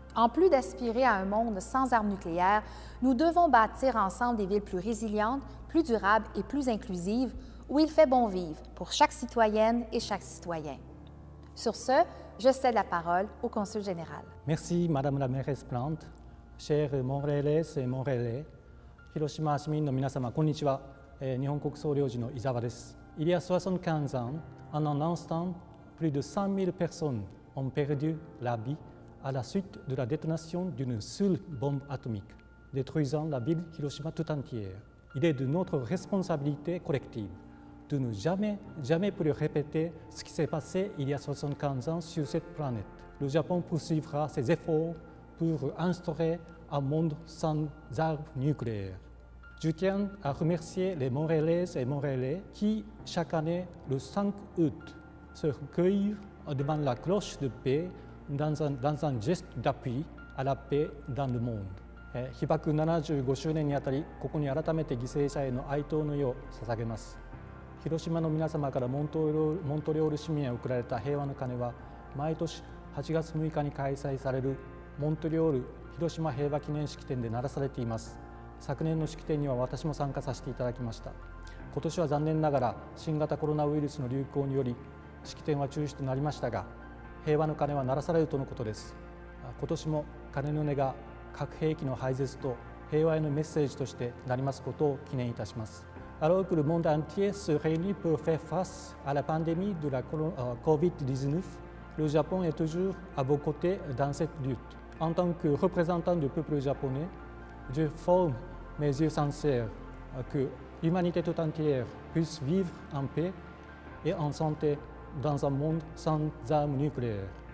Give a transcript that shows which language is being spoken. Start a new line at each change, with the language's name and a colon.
French: En plus d'aspirer à un monde sans armes nucléaires, nous devons bâtir ensemble des villes plus résilientes, plus durables et plus inclusives, où il fait bon vivre pour chaque citoyenne et chaque citoyen. Sur ce, je cède la parole au Consul général. Merci, Madame la mairesse Plante, chers Montréalais et Montréalais.
Japanese: Hiroshima 市民の皆様こんにちは。日本国総領事の伊沢です。
French: Il y a 75 ans, en un instant, plus de 100 000 personnes ont perdu la vie à la suite de la détonation d'une seule bombe atomique, détruisant la ville Hiroshima tout entière. Il est de notre responsabilité collective de ne jamais, jamais plus répéter ce qui s'est passé il y a 75 ans sur cette planète. Le Japon poursuivra ses efforts pour instaurer un monde sans armes nucléaires. Je tiens à remercier les Montréalaises et Montréalais qui, chaque année, le 5 août, se recueillent devant la cloche de paix dans un geste d'appui à la paix dans le monde.
Japanese: 被爆75周年にあたり、ここに改めて犠牲者への哀悼の意を捧げます。広島の皆様からモントリオール市民へ贈られた平和の鐘は、毎年8月6日に開催されるモントリオール広島平和記念式典で鳴らされています。昨年の式典には私も参加させていただきました。今年は残念ながら新型コロナウイルスの流行により式典は中止となりましたが、平和の鐘は鳴らされるとのことです。今年も鐘の音が核兵器の廃絶と平和へのメッセージとして鳴りますことを記念いたします。
French: Alors que le monde entier se réunit pour faire face à la pandémie de la COVID-19, le Japon est toujours à vos côtés dans cette lutte. En tant que représentant du peuple japonais, je forme mes yeux sincères que l'humanité tout entière puisse vivre en paix et en santé dans un monde sans armes nucléaires.